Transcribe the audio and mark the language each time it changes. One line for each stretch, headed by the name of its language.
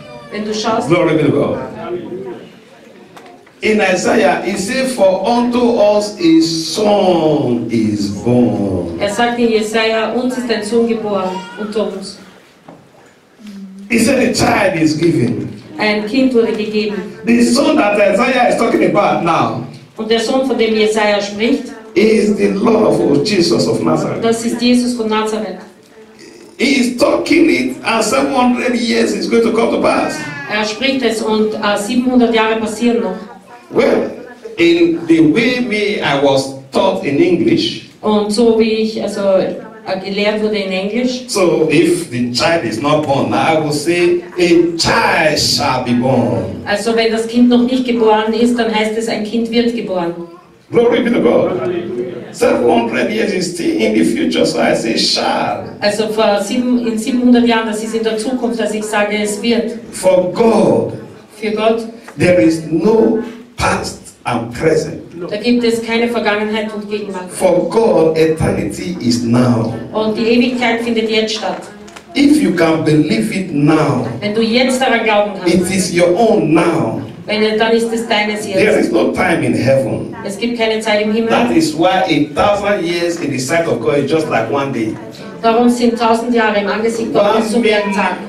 German: Wenn du schaust.
English: Glory be to God. In Isaiah, he said, "For unto us a son is born."
German: Er sagt in Jesaja, uns ist ein Sohn geboren unto uns.
English: He said, "A child is given."
German: Ein Kind wurde gegeben.
English: The son that Isaiah is talking about now.
German: Und der Sohn, von dem Jesaja spricht,
English: is the Lord of all, Jesus of Nazareth.
German: Das ist Jesus von Nazareth.
English: He is talking it, and 700 years is going to come to pass.
German: Er spricht es, und 700 Jahre passieren noch.
English: Well, in the way me I was taught in English.
German: Und so wie ich also gelehrt wurde in Englisch.
English: So if the child is not born, I will say a child shall be born.
German: Also wenn das Kind noch nicht geboren ist, dann heißt es, ein Kind wird geboren.
English: Glory be to God. 700 years is still in the future, so I say shall.
German: Also in 700 Jahren, das ist in der Zukunft, dass ich sage, es wird.
English: For God.
German: Für Gott.
English: There is no past and present.
German: Da gibt es keine Vergangenheit und Gegenwart.
English: For God, eternity is now.
German: Und die Ewigkeit findet jetzt statt.
English: If you can believe it now,
German: wenn du jetzt daran glauben kannst,
English: it is your own now.
German: Dann ist es deines jetzt.
English: There is no time in heaven.
German: Es gibt keine Zeit im Himmel.
English: That is why 1,000 years in the sight of God is just like one day.
German: Darum sind 1,000 Jahre im Angesicht Gottes so wie ein Tag.